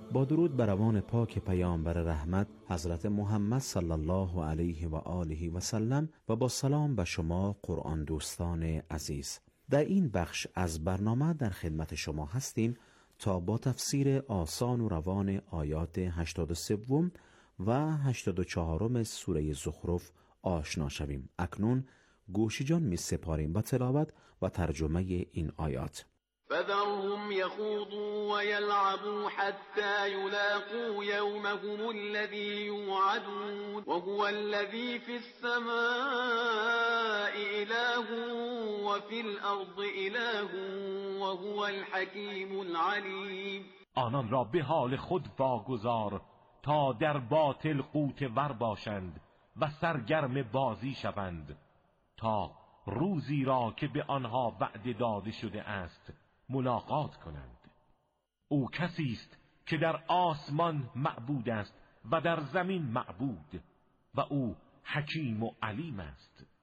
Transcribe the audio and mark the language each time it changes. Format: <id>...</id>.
<fa>با درود بر روان پاک پیامبر رحمت حضرت محمد صلی الله علیه و آله و سلم و با سلام به شما قرآن دوستان عزیز، در این بخش از برنامه در خدمت شما هستیم تا با تفسیر آسان و روان آیات 83 و 84 سوره زخرف آشنا شویم. اکنون گوشی جان می سپاریم به تلاوت و ترجمه این آیات.</fa> <ar>فذرهم يخوضوا ويلعبوا حتى يلاقوا يومهم الذي يوعدون وهو الذي في السماء إله وفي الأرض إله وهو الحكيم العليم.</ar> <fa>آنان را به حال خود واگذار تا در باطل قوت ور باشند و سرگرم بازی شوند تا روزی را که به آنها وعده داده شده است ملاقات کنند. او کسی است که در آسمان معبود است و در زمین معبود و او حکیم و علیم است.</fa>